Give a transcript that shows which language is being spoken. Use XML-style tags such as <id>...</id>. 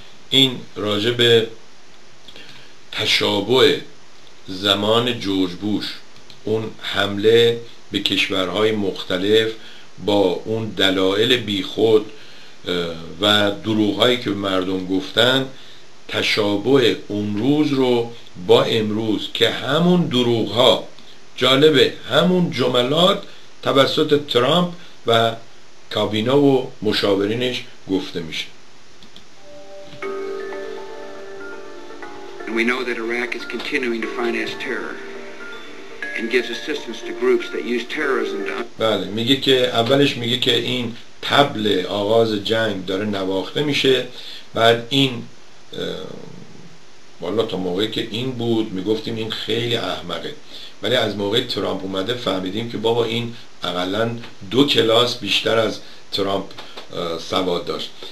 <fa>این راجع به تشابه زمان جورج بوش، اون حمله به کشورهای مختلف با اون دلایل بیخود و دروغهایی که مردم گفتن، تشابه اون روز رو با امروز که همون دروغها، جالبه، همون جملات توسط ترامپ و کابینه و مشاورینش گفته میشه.</fa> <en>We know that Iraq is continuing to finance terror and gives assistance to groups that use terrorism.</en> <fa>بله، میگه که اولش میگه که این طبل آغاز جنگ داره نواخته میشه، بعد این والا تا موقعی که این بود میگفتیم این خیلی احمقه، ولی از موقع ترامپ اومده فهمیدیم که بابا این اقلا دو کلاس بیشتر از ترامپ سواد داشت.</fa>